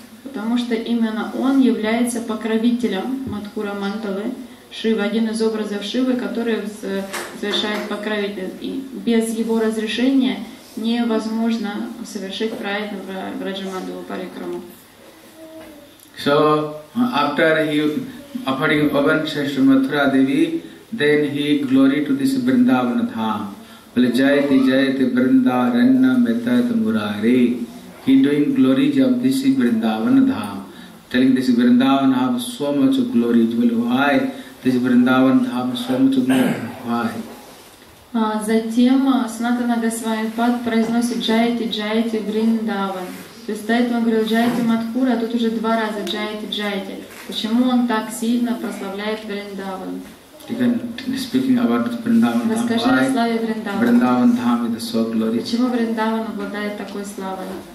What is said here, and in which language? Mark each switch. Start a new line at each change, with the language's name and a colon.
Russian: Потому что именно он является покровителем Мадхура Мандалы. Шива, один из образов Шивы, который совершает покровитель. И без его разрешения невозможно совершить правильно Брадж-мандалу парикраму.
English: So, after he offering obeisances to Mathura Devi, then he glory to this Vrindavana Dham.
Sanskrit: Jayati Jayati Vrinda Ranna Metat Murari.
English: He doing glories of this Vrindavana Dham. Telling this Vrindavana have so much glory. Why? This Vrindavana Dham has so much glory. Why?
Russian: Затем Санатана Госвами Пад произносит Джайати Джайати Вриндаван. То есть до этого он говорил Джайати Мадхура, а тут уже два раза Джайати Джайати. Почему он так сильно прославляет Вриндаван?
English: Speaking about Vrindavan Dham, why Vrindavan Dham is so glorious?
Russian: Почему Вриндаван обладает такой славой?